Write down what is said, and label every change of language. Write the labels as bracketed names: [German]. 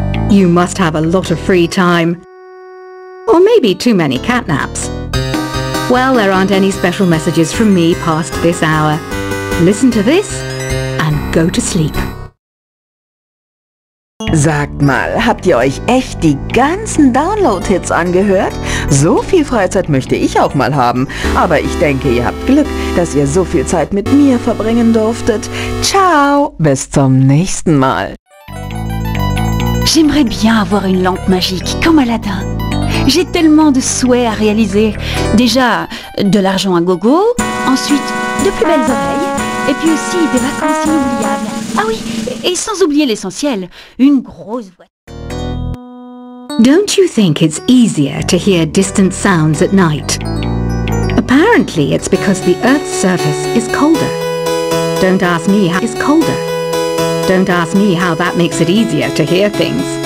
[English] You must have a lot of free time. Or maybe too many catnaps. Well, there aren't any special messages from me past this hour. Listen to this and go to sleep. [German] Sagt mal, habt ihr euch echt die ganzen Download-Hits angehört? So viel Freizeit möchte ich auch mal haben. Aber ich denke, ihr habt Glück, dass ihr so viel Zeit mit mir verbringen durftet. Ciao, bis zum nächsten Mal. [French] J'aimerais bien avoir une lampe magique, comme Aladdin. J'ai tellement de souhaits à réaliser. Déjà, de l'argent à gogo, ensuite, de plus belles oreilles, et puis aussi des vacances inoubliables. Ah oui, et sans oublier l'essentiel, une grosse voix. [English] Don't you think it's easier to hear distant sounds at night? Apparently, it's because the Earth's surface is colder. Don't ask me how it's colder. Don't ask me how that makes it easier to hear things.